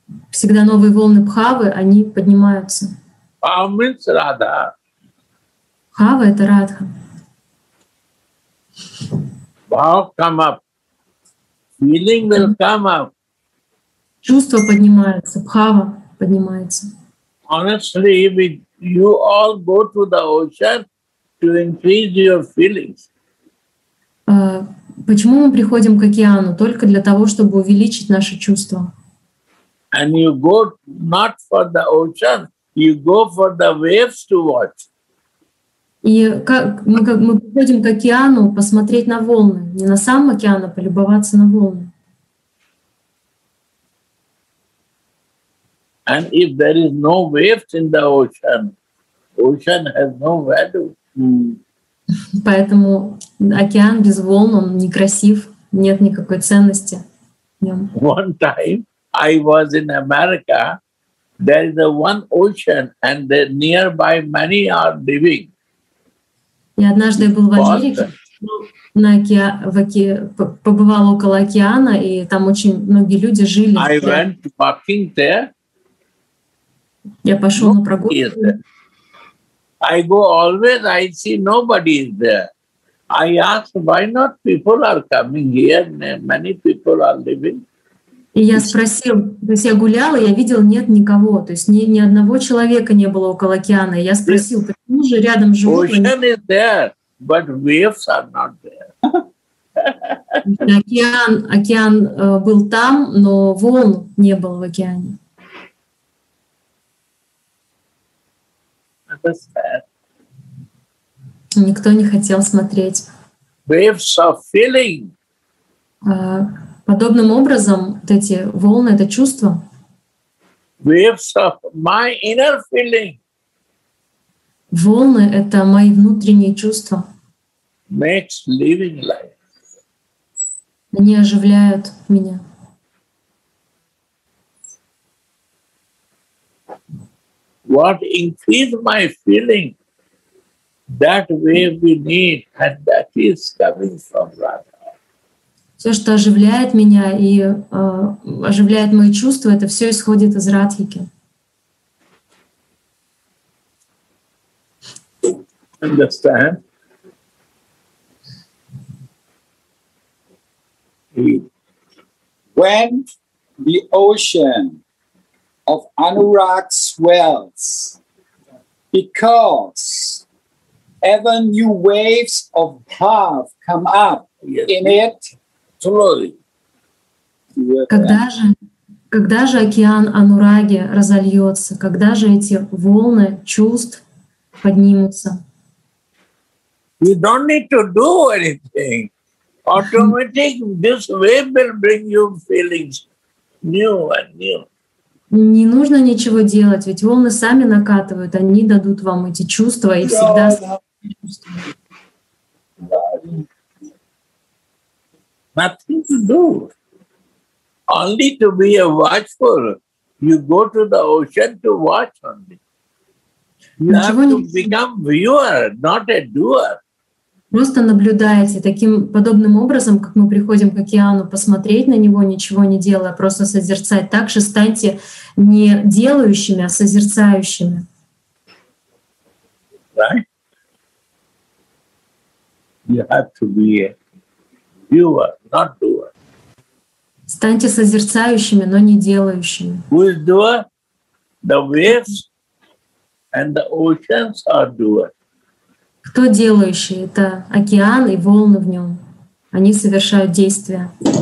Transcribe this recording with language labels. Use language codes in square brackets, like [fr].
[ru] Всегда новые волны бхавы, они поднимаются. [en] Bhav means Radha. [ru] Бхавы — это Радха. [en] Bhav come up. Feeling will come up. [ru] Чувство поднимается, бхава поднимается. [en] honestly, you all go to the ocean to increase your feelings. [ru] Почему мы приходим к океану? Только для того, чтобы увеличить наши чувства. [en] And you go not for the ocean, you go for the waves to watch. [ru] И мы приходим к океану посмотреть на волны, не на сам океан, а полюбоваться на волны. [en] And if there is no waves in the ocean, ocean has no value. [ru] Поэтому океан без волн, он некрасив, нет никакой ценности в нем. [en] One time I was in America, there is one ocean and there nearby many are living. [ru] Я однажды был в Америке, побывал около океана, и там очень многие люди жили. [en] I went walking there. [ru] Я пошел на прогулку. [en] I go always, I see nobody is there. I ask, why not people are coming here, many people are living. [ru] И я спросил, то есть я гулял, и я видел, нет никого, то есть ни одного человека не было около океана. Я спросил, почему же рядом живут? [en] Ocean is there, but waves are not there. [ru] Океан был там, но волн не было в океане. Никто не хотел смотреть. [en] Waves of feeling. [ru] Подобным образом, вот эти волны — это чувства. [en] Waves of my inner feeling. [ru] Волны — это мои внутренние чувства. [en] Makes living life. [ru] Они оживляют меня. [en] What increase my feeling, that way we need, and that is coming from Radha. [ru] Все, что оживляет меня и оживляет мои чувства, это все исходит из Радхики. [en] Understand? When the ocean of Anurag swells, because ever new waves of love come up in it. Slowly. [ru] Когда же океан Анураги разольется? Когда же эти волны чувств поднимутся? [en] You don't need to do anything. Automatic, this wave will bring you feelings new and new. [ru] Не нужно ничего делать, ведь волны сами накатывают, они дадут вам эти чувства и всегда. [en] Nothing to do. Only to be a watchful. You go to the ocean to watch only. You have to become viewer, not a doer. [ru] Просто наблюдаете таким подобным образом, как мы приходим к океану, посмотреть на него, ничего не делая, просто созерцать. Так же станьте не делающими, а созерцающими. [en] Right? You have to be a viewer, not doer. [ru] Станьте созерцающими, но не делающими. [en] Who is doer? The waves and the oceans are doer. [ru] Кто делающий? Это океан и волны в нем. Они совершают действия.